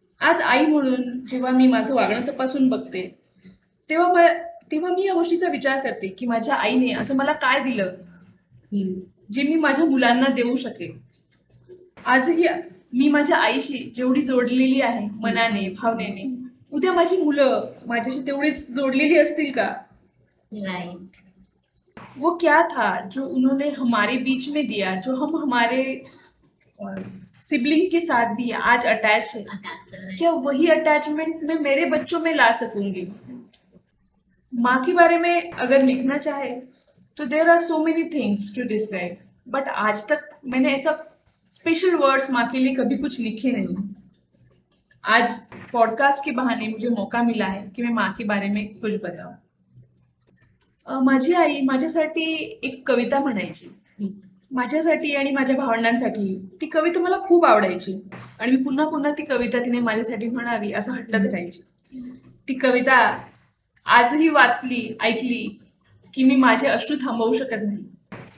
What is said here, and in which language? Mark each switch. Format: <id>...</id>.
<mr>आज आई म्हणून जेव्हा मी माझं वागणं तपासून बघते तेव्हा मी या गोष्टीचा विचार करते की माझ्या आईने असं मला काय दिलं जे मी माझ्या मुलांना देऊ शकेन। आजही मी माझ्या आईशी जेवढी जोडलेली आहे मनाने भावनेने, उद्या माझी मुलं माझ्याशी तेवढीच जोडलेली असतील का?</mr> <en>Right.</en> <hi>वो क्या था जो उन्होंने हमारे बीच में दिया, जो हम हमारे सिबलिंग के साथ भी आज अटैच है, क्या वही अटैचमेंट मैं मेरे बच्चों में ला सकूंगी? माँ के बारे में अगर लिखना चाहे तो</hi> <en>there are so many things to describe,</en> <hi>but आज तक मैंने ऐसा स्पेशल वर्ड्स माँ के लिए कभी कुछ लिखे नहीं। आज पॉडकास्ट के बहाने मुझे मौका मिला है कि मैं माँ के बारे में कुछ बताऊं।</hi> <mr>माझी आई माझ्यासाठी एक कविता म्हणायची, माझ्यासाठी आणि माझ्या भावंडांसाठी ती कविता मला खूप आवडायची आणि मी पुन्हा पुन्हा ती कविता तिने माझ्यासाठी म्हणावी असं हट्ट धरायची। ती कविता आजही वाचली ऐकली की मी माझे अश्रू थांबवू शकत नाही।</mr>